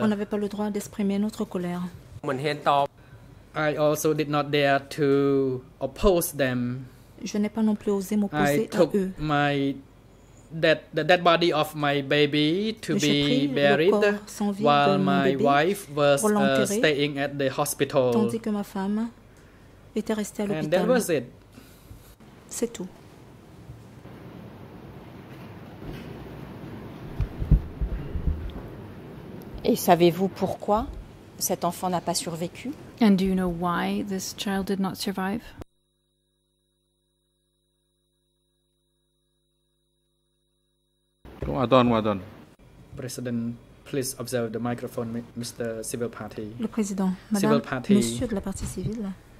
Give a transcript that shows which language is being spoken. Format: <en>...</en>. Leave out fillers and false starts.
<fr>On n'avait pas le droit d'exprimer notre colère.</fr> <en>I also did not dare to oppose them.</en> <fr>Je n'ai pas non plus osé m'opposer à eux.</fr> <en>I took my dead body of my baby to be buried while my wife was staying at the hospital.</en> <fr>Tandis que ma femme était restée à l'hôpital.</fr> <en>And that was it.</en> <fr>C'est tout. Et savez-vous pourquoi cet enfant n'a pas survécu?</fr> <en>And do you know why this child did not survive? Go on. President, please observe the microphone, Mr. Civil Party.</en> <fr>Le président, Madame,</fr> <en>civil party.</en> <fr>Monsieur de la partie civile.</fr>